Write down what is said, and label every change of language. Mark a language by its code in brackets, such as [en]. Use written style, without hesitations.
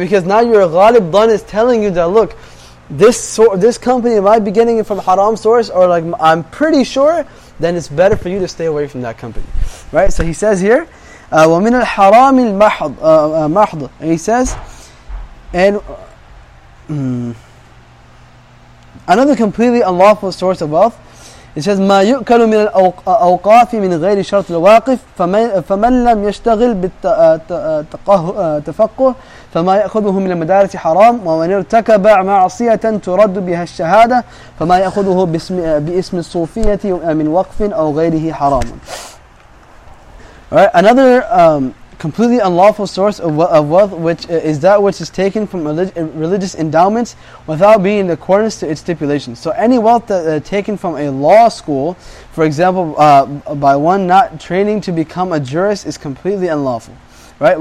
[en] Because now your غالب ظَن is telling you that, look, this company might be getting it from haram source, or like I'm pretty sure, then it's better for you to stay away from that company, right? So he says here, ومن الحرام المحض محض. He says, and another completely unlawful source of wealth. [ar] It says, ما يؤكل من الأوقاف من غير شرط الواقف فمن لم يشتغل بالتفقه فما يأخذه من المدارس حرام ومن ارتكب معصية ترد بها الشهادة فما يأخذه باسم الصوفية من وقف أو غيره حرام. [en] Right, another completely unlawful source of wealth, which is that which is taken from religious endowments without being in accordance to its stipulations. So any wealth that, taken from a law school, for example, by one not training to become a jurist, is completely unlawful. Right.